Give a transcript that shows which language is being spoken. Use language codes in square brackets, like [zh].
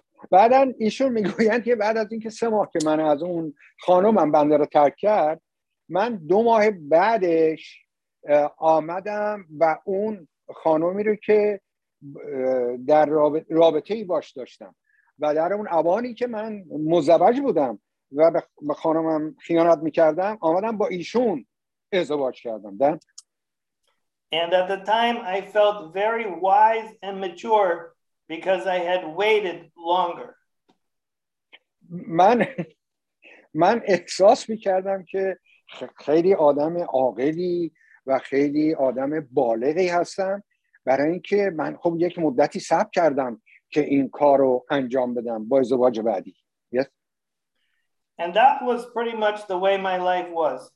[fa] بعدن ایشون میگویند که بعد از اینکه 3 ماه که من از اون خانومم بنده رو ترک کرد من 2 ماه بعدش آمدم و اون خانومی رو که در رابطه ای باش داشتم و در اون اوانی که من مزوج بودم و به خانومم خیانت میکردم آمدم با ایشون ازدواج کردم. [en] And at the time I felt very wise and mature because I had waited longer. [fa] من احساس می‌کردم که خیلی آدم عاقلی و خیلی آدم بالغی هستم برای اینکه من خب یک مدتی صبر کردم که این کارو انجام بدم با ازدواج بعدی. [en] Yes. And that was pretty much the way my life was.